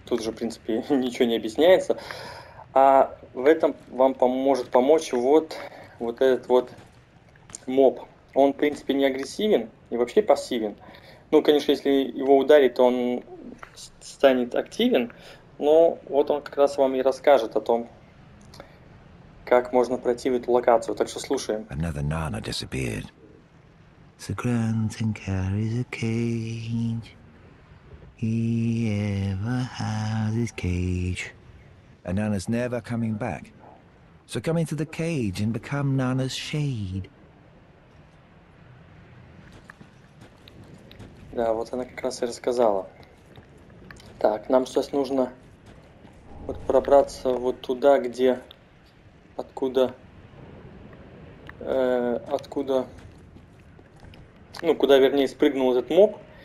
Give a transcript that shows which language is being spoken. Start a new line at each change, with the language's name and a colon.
Russian: Тут же, в принципе, ничего не объясняется. А в этом вам поможет помочь вот этот вот моб. Он, в принципе, не агрессивен и вообще пассивен. Ну, конечно, если его ударить, то он станет активен. Ну, вот он как раз вам и расскажет о том, как можно пройти в эту локацию. Так что слушаем.
English: Another Nana disappeared. So grunts and carries a cage. He ever has his cage. And Nana's never coming back. So come into the cage and become Nana's shade.
Russian: Да, вот она как раз и рассказала. Так, нам сейчас нужно вот пробраться вот туда, где, откуда, ну, куда вернее спрыгнул этот моб.